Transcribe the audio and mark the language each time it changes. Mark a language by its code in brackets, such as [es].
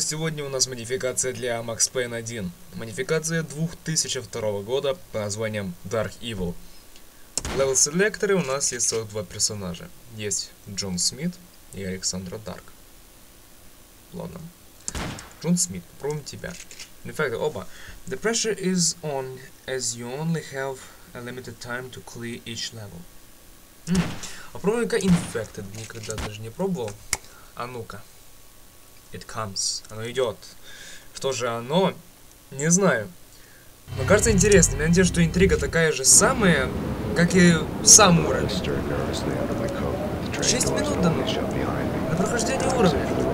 [ru] Сегодня у нас модификация для Max Payne 1. Модификация 2002 года по названием Dark Evil. В левел-селекторе у нас есть целых два персонажа. Есть Джон Смит и Александра Дарк. Ладно. Джон Смит, попробуем тебя. Инфекты, оба. [en] The pressure is on, as you only have a limited time to clear each level. [ru] Попробуй-ка Infected, никогда даже не пробовал. А ну-ка. [en] It comes. [ru] Оно идет. Что же оно? Не знаю. Но кажется интересным. Я надеюсь, что интрига такая же самая, как и сам уровень. 6 минут дано. На прохождение уровня.